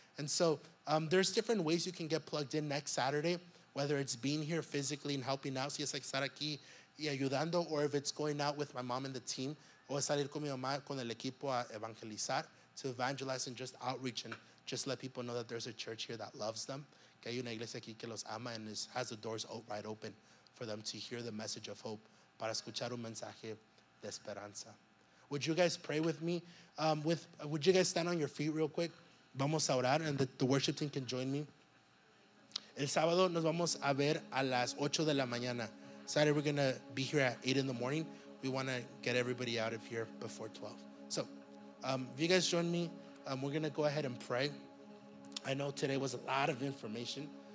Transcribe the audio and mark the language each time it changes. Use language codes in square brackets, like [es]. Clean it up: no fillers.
[en] And so there's different ways you can get plugged in next Saturday, whether it's being here physically and helping out, [es] si es estar aquí y ayudando, [en] or if it's going out with my mom and the team, [es] o salir con mi mamá con el equipo a evangelizar, [en] to evangelize and just outreach and just let people know that there's a church here that loves them, [es] que hay una iglesia aquí que los ama [en] and has the doors wide open for them to hear the message of hope, [es] para escuchar un mensaje de esperanza. [en] Would you guys pray with me? Would you guys stand on your feet real quick? [es] Vamos a orar [en] and the worship team can join me. [es] El sábado nos vamos a ver a las 8 de la mañana. [en] Saturday we're going to be here at 8 in the morning. We want to get everybody out of here before 12. So, if you guys join me, we're going to go ahead and pray. I know today was a lot of information.